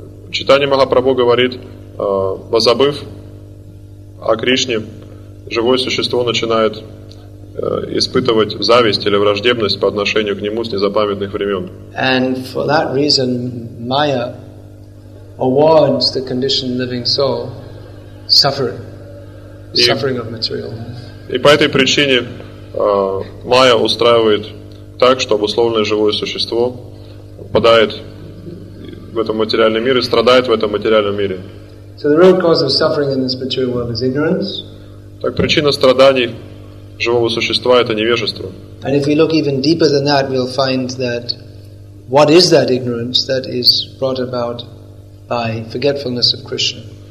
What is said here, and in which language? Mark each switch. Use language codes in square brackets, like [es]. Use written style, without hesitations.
[ru] Chaitanya Mahaprabhu говорит, позабыв о Кришне, живое существо начинает испытывать зависть или враждебность по отношению к нему с незапамятных времен. [en] And for that reason, Maya awards the conditioned living soul suffering of material life. [ru] И по этой причине Maya устраивает так, что обусловленное живое существо попадает в этот материальный мир и страдает в этом материальном мире. [en] So the root cause of suffering in this material world is ignorance. [ru] Так причина страданий живого существа — это невежество. [en] And if we look even deeper than that, we'll find that what is that ignorance that is brought about by forgetfulness of Krishna?